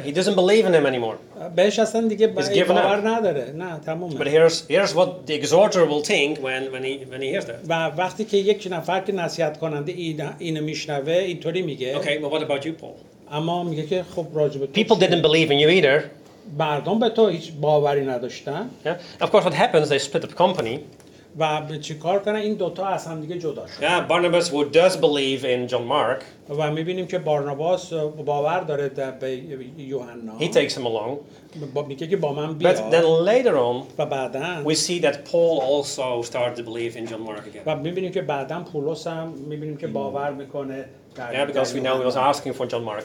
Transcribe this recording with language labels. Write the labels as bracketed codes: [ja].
[en] he doesn't believe in him anymore. He's given up. [fa] نداره. نه تمام. [en] But here's what the exhorter will think when he hears that. [fa] و وقتی که یک نفر که نصیحت کننده اینو میشنوه اینطوری میگه. [en] Okay, but what about you, Paul? [fa] اما میگه که خب راجب تو. [en] People didn't believe in you either. [fa] مردم به تو هیچ باوری نداشتن. [en] Yeah. Of course, what happens? They split up company. [fa] و به چی کار کنه این دوتا از هم دیگه جدا شد. [en] Yeah, Barnabas who does believe in John Mark. [fa] و می‌بینیم که بارناباس باور داره به یوحنا. [en] He takes him along. [fa] میگه که با من بیا. [en] But then later on, [fa] و بعداً [en] we see that Paul also started to believe in John Mark again. [fa] و می‌بینیم که بعداً پولس هم می‌بینیم که باور می‌کنه. [en] Yeah, because we know he was asking for John Mark.